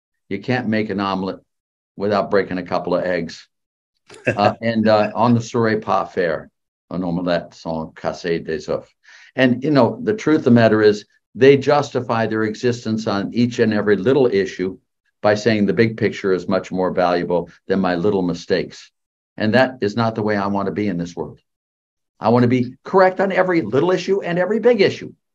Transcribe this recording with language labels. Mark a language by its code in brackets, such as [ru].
[en] You can't make an omelet without breaking a couple of eggs. [fr] on ne saurait pas faire un omelette sans casser des œufs. [en] And, you know, the truth of the matter is they justify their existence on each and every little issue by saying the big picture is much more valuable than my little mistakes. And that is not the way I want to be in this world. I want to be correct on every little issue and every big issue.